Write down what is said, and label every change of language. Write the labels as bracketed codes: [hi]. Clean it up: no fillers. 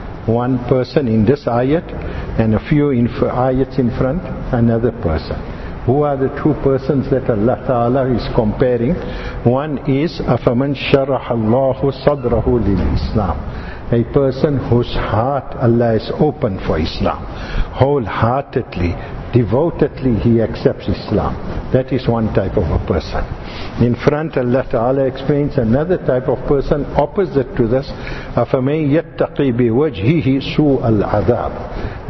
[en] One person in this ayat and a few ayats in front, another person. Who are the two persons that Allah ta'ala is comparing? One is [ar] أَفَمَنْ شَرَحَ اللَّهُ صَدْرَهُ لِلْإِسْلَامِ. [en] A person whose heart Allah has opened for Islam. Wholeheartedly, devotedly he accepts Islam. That is one type of a person. In front, Allah Ta'ala explains another type of person opposite to this. [ar] أَفَمَنْ يَتَّقِي بِوَجْهِهِ سُوءَ الْعَذَابِ.